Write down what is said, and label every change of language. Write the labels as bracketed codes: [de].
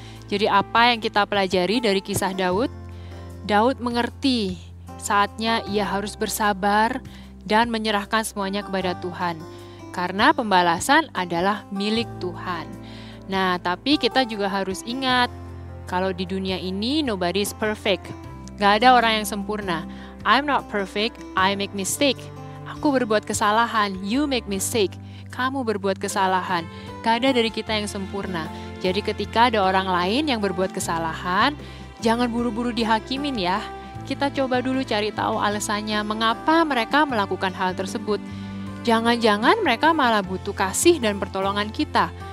[id] Jadi apa yang kita pelajari dari kisah Daud? Daud mengerti saatnya ia harus bersabar dan menyerahkan semuanya kepada Tuhan. Karena pembalasan adalah milik Tuhan. Nah, tapi kita juga harus ingat, kalau di dunia ini [en] nobody is perfect. [id] Gak ada orang yang sempurna. [en] I'm not perfect, I make mistake. [id] Aku berbuat kesalahan, [en] you make mistake. [id] Kamu berbuat kesalahan. Gak ada dari kita yang sempurna. Jadi ketika ada orang lain yang berbuat kesalahan, jangan buru-buru dihakimin ya. Kita coba dulu cari tahu alasannya, mengapa mereka melakukan hal tersebut. Jangan-jangan mereka malah butuh kasih dan pertolongan kita.